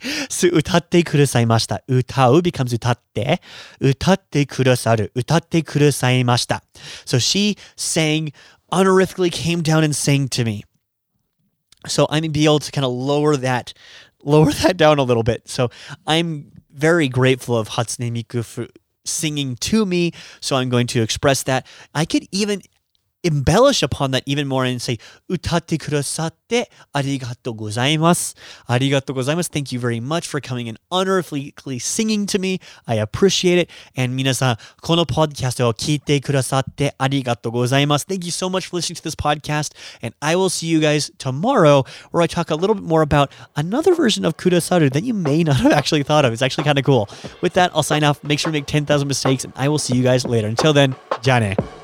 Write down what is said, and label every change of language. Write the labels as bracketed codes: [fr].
[ja] す歌ってくださいました。歌う becomes 歌って。歌ってくださる。歌ってくださいました。 [en] So she sang, honorifically came down and sang to me. So I'm be able to kind of lower that down a little bit. So I'm very grateful of Hatsune Miku for singing to me. So I'm going to express that. I could even... embellish upon that even more and say, [ja] 歌ってくださってありがとうございます。ありがとうございます。 [en] Thank you very much for coming and honorifically singing to me. I appreciate it. [ja] And 皆さん、このポッドキャストを聞いてくださってありがとうございます。 [en] Thank you so much for listening to this podcast. And I will see you guys tomorrow where I talk a little bit more about another version of kudasaru that you may not have actually thought of. It's actually kind of cool. With that, I'll sign off. Make sure to make 10,000 mistakes and I will see you guys later. Until then, [ja] じゃあね。